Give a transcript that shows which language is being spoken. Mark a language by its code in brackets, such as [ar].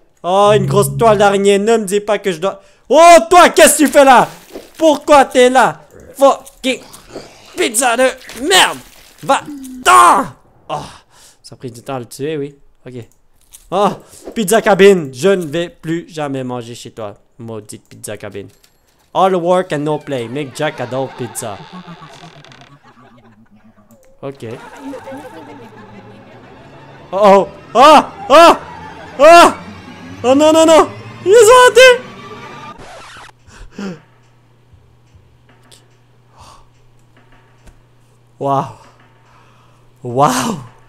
[fr] Oh, une grosse toile d'araignée. Ne me dis pas que je dois... Oh, toi, qu'est-ce que tu fais là? Pourquoi t'es là? Fucking pizza de merde! Va-t'en! Oh, ça a pris du temps à le tuer, oui. Ok. Oh, pizza cabine, je ne vais plus jamais manger chez toi, maudite pizza cabine. [en] All work and no play, make Jack adore pizza. [fr] Ok. Oh oh, oh oh, oh oh, oh non non non, ils ont raté. Wow. Wow.